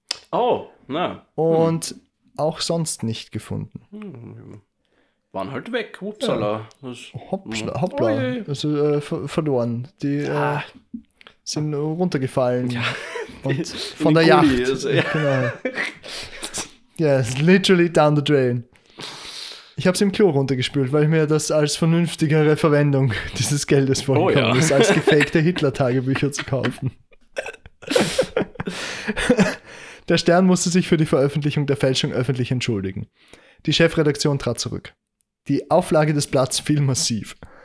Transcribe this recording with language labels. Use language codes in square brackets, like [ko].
[de] Oh, na. Und auch sonst nicht gefunden. Mhm. Waren halt weg, Upsala. Ja. Hoppla, oh, also verloren. Die sind runtergefallen. Ja. Und von der Yacht. Genau. [en] Yes, literally down the drain. [de] Ich habe sie im Klo runtergespült, weil ich mir das als vernünftigere Verwendung dieses Geldes vorgekommen ist, als gefakte Hitler-Tagebücher zu kaufen. Der Stern musste sich für die Veröffentlichung der Fälschung öffentlich entschuldigen. Die Chefredaktion trat zurück. Die Auflage des Blatts fiel massiv.